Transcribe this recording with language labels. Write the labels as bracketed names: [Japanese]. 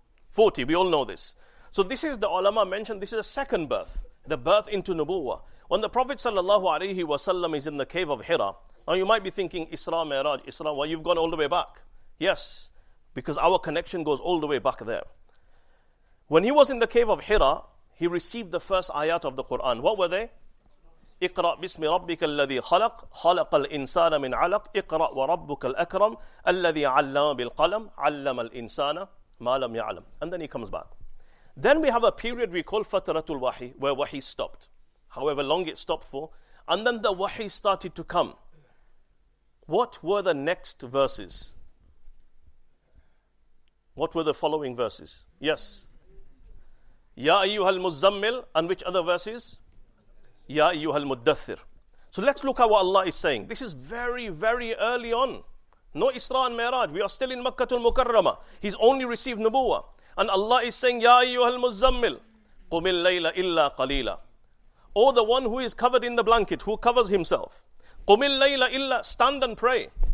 [English] 40, we all know this. So this is the ulama mentioned, this is a second birth, the birth into Nubuwa. When the Prophet sallallahu alayhi wa sallam is in the cave of Hira, now you might be thinking, Isra Miraj, Isra, well, you've gone all the way back. Yes, because our connection goes all the way back there. When he was in the cave of Hira, he received the first ayat of the Quran. What were they? [Arabic] اقرا بسم ربك الذي خلق خلق الانسان من علق اقرا وربك الاكرم الذي علم بالقلم علم الانسان ما لم يعلم. [English] And then he comes back. Then we have a period we call fatratul wahi, where wahi stopped, however long it stopped for, and then the wahi started to come. What were the next verses? What were the following verses? Yes, [Arabic] يا أيها المزمل. [English] And which other verses? Ya ayyuhal muddathir. So let's look at what Allah is saying. This is very, very early on. No Isra and Miraj. We are still in Makkah al-Mukarrama. He's only received Nubuwa. And Allah is saying, Ya ayyuhal muzzammil, qumil layla illa qalila. Oh, the one who is covered in the blanket, who covers himself. Qumil layla illa, stand and pray.